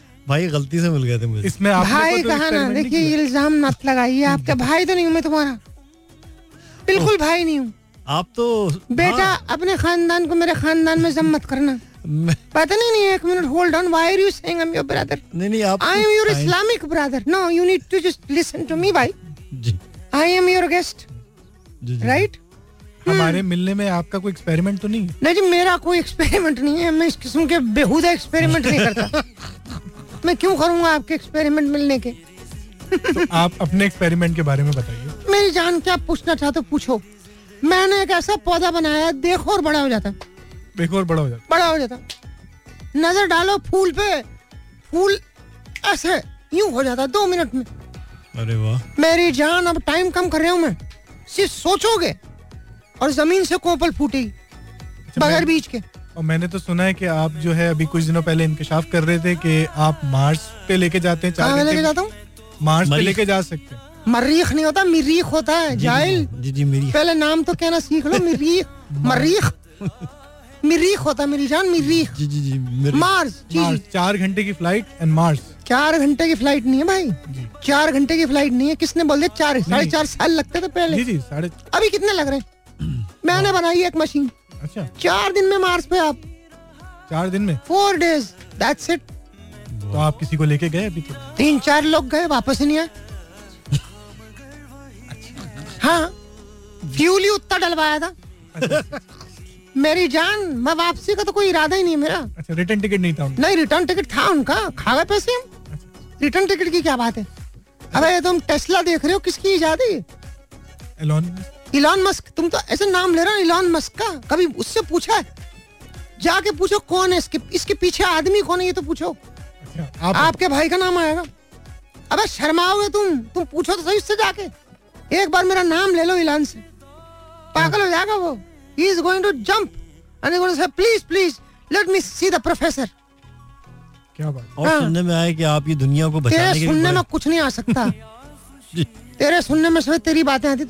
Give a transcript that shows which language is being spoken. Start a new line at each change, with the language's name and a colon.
Hindi: भाई गलती से मिल गए थे मुझे. इसमें आपने भाई कहा ना, देखिए इल्जाम मत लगाइए. आपका भाई तो नहीं हूँ मैं तुम्हारा, बिल्कुल भाई नहीं हूँ. आप तो बेटा हाँ। अपने खानदान को मेरे खानदान में जम्मत करना. पता नहीं, एक minute hold on.
English: Why are you saying I am your brother?
Hindi: नहीं नहीं, आप
English: I am your Islamic brother. No, you need to just listen to me भाई. I am your guest, right?
Hindi: हमारे मिलने में आपका कोई एक्सपेरिमेंट तो नहीं? नहीं जी, मेरा कोई एक्सपेरिमेंट नहीं है. मैं इस किस्म के बेहुदा एक्सपेरिमेंट नहीं करता. मैं क्यों करूंगा आपके एक्सपेरिमेंट मिलने के? तो आप अपने एक्सपेरिमेंट के बारे में बताइए. मेरी जान, क्या पूछना चाहते हो पूछो. मैंने एक ऐसा पौधा बनाया, देखो और बड़ा हो जाता. देखो और बड़ा हो जाता. बड़ा हो जाता. नजर डालो फूल पे, फूल ऐसे यूं हो जाता 2 मिनट में. अरे वाह मेरी जान, अब टाइम कम कर रहा हूँ मैं. सिर्फ सोचोगे और जमीन से कोपल फूटेगी बगैर बीज के. और मैंने तो सुना है कि आप जो है अभी कुछ दिनों पहले इंकशाफ कर रहे थे कि आप मार्स पे लेके जाते हैं. कहाँ लेके जाता हूँ? मार्स पे लेके जा सकते हैं. मरीख नहीं होता, मरीख होता है. जाहिल जी जी, मरीख. पहले नाम तो कहना सीख लो. मरीख, मरीख, मरीख होता मेरी जान. मरीख जी जी जी. मार्स, 4 घंटे की फ्लाइट एंड मार्स. 4 घंटे की फ्लाइट नहीं है भाई. 4 घंटे की फ्लाइट नहीं है. किसने बोल दिया 4.5 साल लगते थे पहले? जी जी, साढ़े. अभी कितने लग रहे हैं? मैंने बनाई एक मशीन. अच्छा, 4 दिन में मार्स पे आप? 4 दिन में?
English: 4 days, that's it.
Hindi: तो आप किसी को लेके गए अभी तक? 3-4 लोग गए, वापस नहीं आए. हाँ, फ्यूल ही उत्ता डलवाया था. मेरी जान, मैं वापसी का तो कोई इरादा ही नहीं है मेरा. अच्छा, रिटर्न टिकट नहीं था? नहीं, रिटर्न टिकट था उनका, खा गए पैसे. रिटर्न टिकट की क्या बात है? अब तुम टेस्ला देख रहे हो, किसकी ईजाद है? Elon Musk. तुम तो ऐसे नाम ले रहे हो इलॉन मस्क का, कभी उससे पूछा है? जाके पूछो कौन है इसके पीछे आदमी कौन है, ये तो पूछो. आप आपके भाई का नाम आएगा. अबे शर्माओगे तुम पूछो तो सही उससे जाके. एक बार मेरा नाम ले लो इलॉन से, पागल हो जाएगा वो.
English: He is going to jump and they're gonna say, please, please, let me see the professor.
Hindi: क्या बात? और सुनने में आया कि आप ये दुनिया को बचाने के लिए. तेरे सुनने में कुछ नहीं आ सकता. तेरे सुनने में सब तेरी बातें आती.